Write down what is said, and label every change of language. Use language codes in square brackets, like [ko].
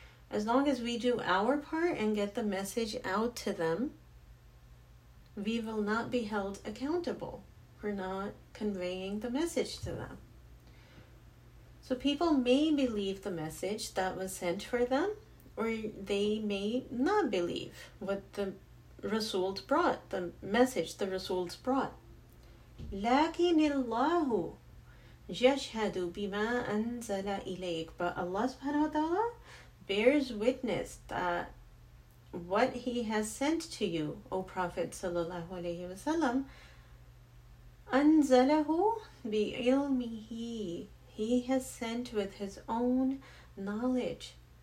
[en] As long as we do our part and get the message out to them, we will not be held accountable for not conveying the message to them. So people may believe the message that was sent for them, or they may not believe what the Rasul brought, the message the Rasul brought. [ar] لكن الله يشهد بما أنزل إليك. [en] But Allah subhanahu wa ta'ala bears witness that what He has sent to you, O Prophet sallallahu alayhi wa sallam, [ar] أَنزَلَهُ بِعِلْمِهِ, [en] He has sent with His own knowledge.